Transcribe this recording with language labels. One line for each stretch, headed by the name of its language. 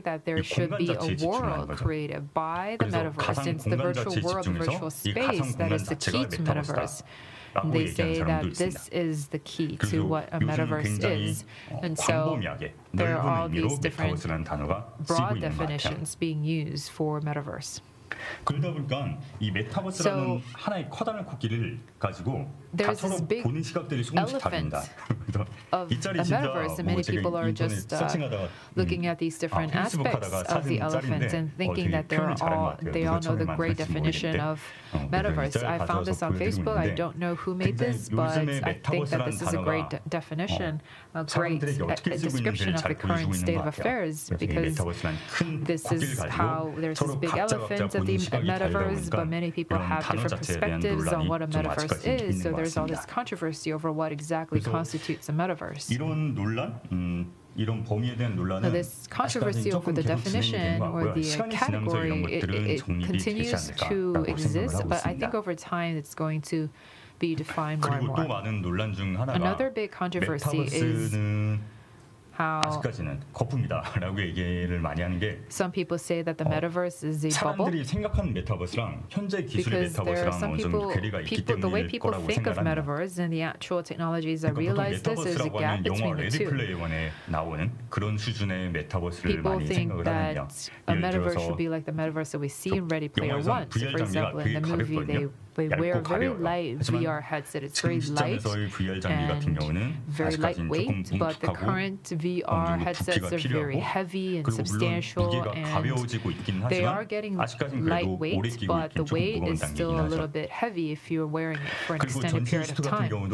English: that there should be a world created by the metaverse since the virtual world, the virtual space that is the key to metaverse. They say that this is the key to what a metaverse is. And so there are all these different broad definitions being used for metaverse.
Korean: 그러다 보니까 이 메타버스라는 so, 하나의 커다란 코끼리를 가지고 가서 보는 시각들이 조금씩 다릅니다. 이 자리 진짜 뭐 제가 인터넷 서칭하다가
English: looking at these different aspects of the elephant and thinking that they're all they all know the great definition of metaverse. I found this on Facebook. I don't know who made this, but I think that this is a great definition, a great description of the current state of affairs because this is how there's this big elephant of the metaverse. But many people have different perspectives on what a metaverse is. So there's all this controversy over what exactly constitutes a metaverse.
Korean: 이런 논란? 이런 범위에 대한 논란은
English: this controversy over the definition or the category it continues to exist, but I think over time it's going to be defined more and more.
Korean: 그리고 또 많은 논란 중 하나가
English: another big controversy is how
Korean: 아직까지는 거품이다라고 얘기를 많이 하는 게
English: some people say that the metaverse is a bubble.
Korean: 사람들이 생각하는 메타버스랑 현재 기술의 메타버스랑 좀 괴리가 있기 때문에 거라고 생각합니다.
English: The way people think of metaverse and the actual technologies that realize this is a gap between the two.
Korean: 영화 레드플레이어1에 나오는 그런 수준의 메타버스를 많이 생각을 하는 게
English: a metaverse should be like the metaverse that we see in Ready Player One. For example, in the movie they wear very light VR headset. It's very light and very lightweight, but the current VR headsets are very heavy and substantial, and they are getting lightweight, but the weight is still a little bit heavy if you're wearing it for an extended period of time.